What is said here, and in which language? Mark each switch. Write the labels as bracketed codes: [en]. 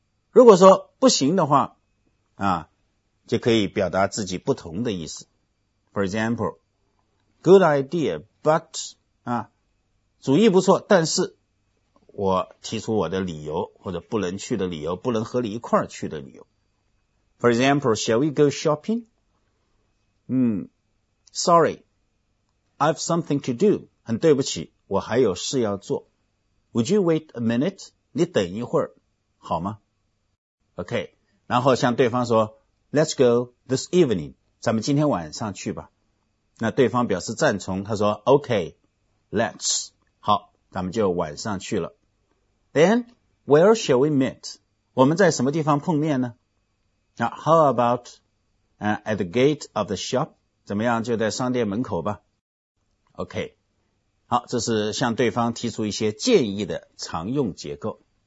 [zh] 如果说不行的话啊，就可以表达自己不同的意思。 [en] For example, good idea, but, [zh] 啊，主意不错，但是我提出我的理由，或者不能去的理由，不能和你一块去的理由。 [en] For example, shall we go shopping? Sorry, I have something to do. [zh] 很对不起，我还有事要做。 [en] Would you wait a minute? [zh] 你等一会儿，好吗？ [en] OK, [zh] 然后向对方说 [en] Let's go this evening. [zh] 咱们今天晚上去吧。那对方表示赞成，他说 [en] OK, let's. [zh] 好，咱们就晚上去了。 [en] Then, where shall we meet? [zh] 我们在什么地方碰面呢？ [en] Now, how about, at the gate of the shop? [zh] 怎么样，就在商店门口吧。OK. 好，这是向对方提出一些建议的常用结构。